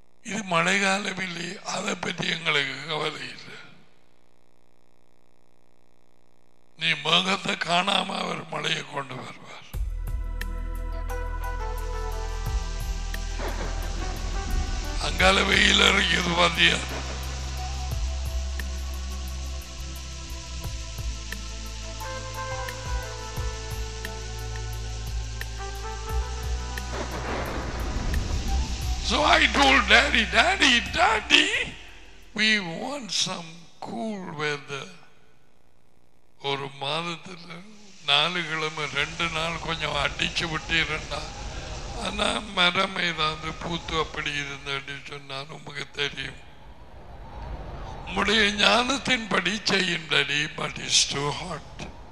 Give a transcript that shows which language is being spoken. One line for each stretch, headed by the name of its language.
Tamil: இது மழை காலம் இல்லை, அதை பற்றி எங்களுக்கு கவலை இல்லை. நீ மேகத்தை காணாம அவர் மழையை கொண்டு வருவார். அங்கால வெயில் இருக்கிறது பாத்தியா,
English: so I told daddy we want some cool weather.
Tamil: ஒரு மாதத்துல நாலு கிழமை ரெண்டு நாள் கொஞ்சம் அடிச்சு விட்டிருந்தா ஆனா மரம் ஏதாவது பூத்து அப்படி இருந்த சொன்னா உங்களுக்கு தெரியும். உங்களுடைய ஞானத்தின்படி செய்யும் daddy,
English: But it's too hot.